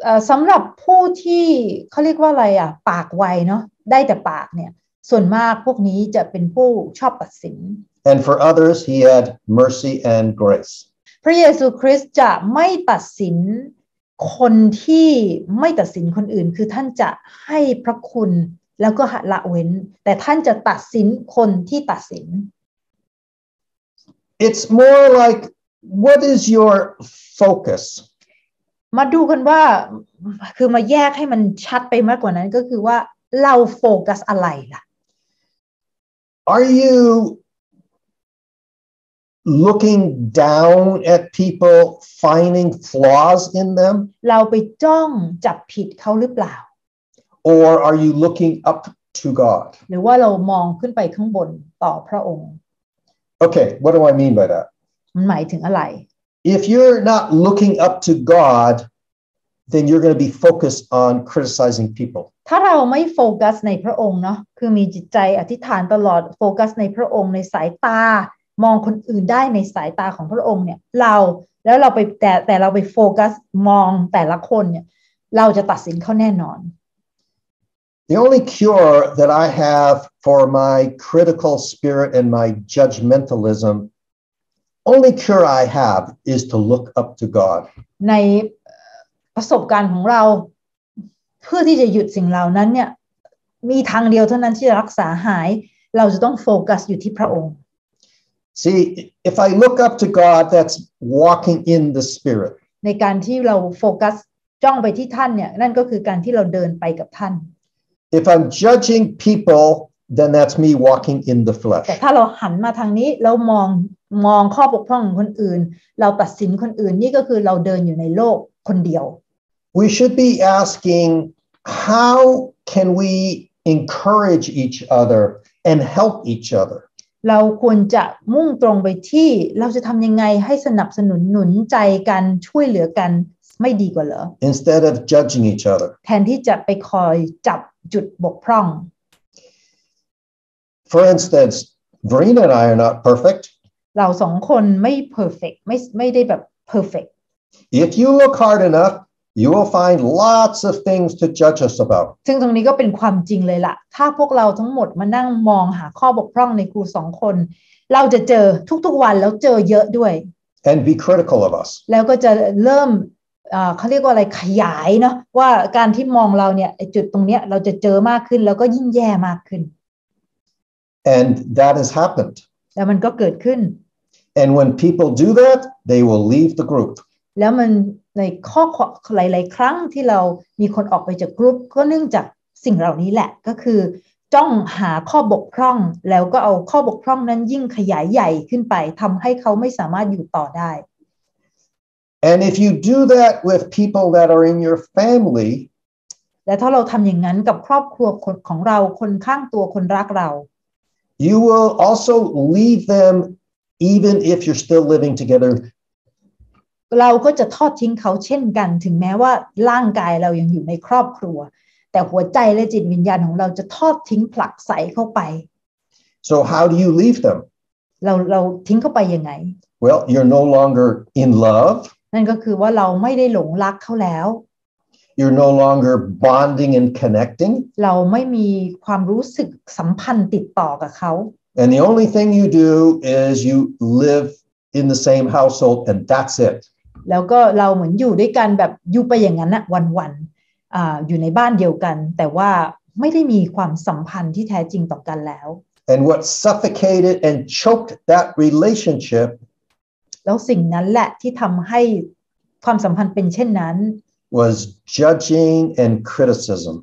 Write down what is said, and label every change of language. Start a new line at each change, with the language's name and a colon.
Thai: สำหรับผู้ที่เขาเรียกว่าอะไรอ่ะปากไวเนาะได้แต่ปากเนี่ยส่วนมากพวกนี้จะเป็นผู้ชอบตัดสิน
English: And for others, he had mercy and grace.
Thai: พระเยซูคริสต์จะไม่ตัดสินคนที่ไม่ตัดสินคนอื่นคือท่านจะให้พระคุณแล้วก็ละเว้นแต่ท่านจะตัดสินคนที่ตัดสิน
English: It's more like, what is your focus?
Thai: มาดูกันว่าคือมาแยกให้มันชัดไปมากกว่านั้นก็คือว่าเราโฟกัสอะไรล่ะ
English: Are youlooking down at people finding flaws in them
Thai: เราไปจ้องจับผิดเขาหรือเปล่า
English: or are you looking up to God
Thai: หรือว่าเรามองขึ้นไปข้างบนต่อพระองค์
English: okay what do I mean by that
Thai: มันหมายถึงอะไร
English: if you're not looking up to God then you're going to be focused on criticizing people
Thai: ถ้าเราไม่โฟกัสในพระองค์เนาะคือมีจิตใจอธิษฐานตลอดโฟกัสในพระองค์ในสายตามองคนอื่นได้ในสายตาของพระองค์เนี่ยเราแล้วเราไปแต่เราไปโฟกัสมองแต่ละคนเนี่ยเราจะตัดสินเขาแน่นอน
English: The only cure that I have for my critical spirit and my judgmentalism only cure I have is to look up to God
Thai: ในประสบการณ์ของเราเพื่อที่จะหยุดสิ่งเหล่านั้นเนี่ยมีทางเดียวเท่านั้นที่จะรักษาหายเราจะต้องโฟกัสอยู่ที่พระองค์
English: See, if I look up to God, that's walking in the Spirit.
Thai: ในการที่เราโฟกัสจ้องไปที่ท่านเนี่ยนั่นก็คือการที่เราเดินไปกับท่าน
English: If I'm judging people, then that's me walking in the flesh.
Thai: แต่ถ้าเราหันมาทางนี้เรามองข้อบกพร่องของคนอื่นเราตัดสินคนอื่นนี่ก็คือเราเดินอยู่ในโลกคนเดียว
English: We should be asking how can we encourage each other and help each other.
Thai: เราควรจะมุ่งตรงไปที่เราจะทำยังไงให้สนับสนุนหนุนใจกันช่วยเหลือกันไม่ดีกว่าเหรอ
English: Instead of judging each other.
Thai: แทนที่จะไปคอยจับจุดบกพร่อง
English: For instance, Verena and I are not perfect.
Thai: เราสองคนไม่ perfect, ไม่ได้แบบ perfect.
English: If you look hard enough, you will find lots of things to judge us about.
Thai: ซึ่งตรงนี้ก็เป็นความจริงเลยล่ะถ้าพวกเราทั้งหมดมานั่งมองหาข้อบกพร่องในครูสองคนเราจะเจอทุกๆวันแล้วเจอเยอะด้วย
English: And be critical of us.
Thai: แล้วก็จะเริ่มเขาเรียกว่าอะไรขยายเนาะว่าการที่มองเราเนี่ยจุดตรงเนี้ยเราจะเจอมากขึ้นแล้วก็ยิ่งแย่มากขึ้น
English: And that has happened.
Thai: แล้วมันก็เกิดขึ้น
English: And when people do that, they will leave the group.
Thai: แล้วมันในข้อหลายๆครั้งที่เรามีคนออกไปจากกลุ่มก็เนื่องจากสิ่งเหล่านี้แหละก็คือจ้องหาข้อบกพร่องแล้วก็เอาข้อบกพร่องนั้นยิ่งขยายใหญ่ขึ้นไปทำให้เขาไม่สามารถอยู่ต่อได้
English: And if you do that with people that are in your family,
Thai: และถ้าเราทำอย่างนั้นกับครอบครัวของเราคนข้างตัวคนรักเรา
English: you will also leave them even if you're still living together.
Thai: เราก็จะทอดทิ้งเขาเช่นกันถึงแม้ว่าร่างกายเรายังอยู่ในครอบครัวแต่หัวใจและจิตวิญญาณของเราจะทอดทิ้งผลักไสเข้าไป
English: So how do you leave them?
Thai: เราทิ้งเขาไปยังไง
English: Well, you're no longer in love.
Thai: นั่นก็คือว่าเราไม่ได้หลงรักเขาแล้ว
English: You're no longer bonding and connecting
Thai: เราไม่มีความรู้สึกสัมพันธ์ติดต่อกับเขา
English: And the only thing you do is you live in the same household and that's it
Thai: แล้วก็เราเหมือนอยู่ด้วยกันแบบอยู่ไปอย่างนั้นอะวันๆอยู่ในบ้านเดียวกันแต่ว่าไม่ได้มีความสัมพันธ์ที่แท้จริงต่อกันแล้ว
English: And what suffocated and choked that relationship
Thai: แล้วสิ่งนั้นแหละที่ทำให้ความสัมพันธ์เป็นเช่นนั้น
English: was judging and criticism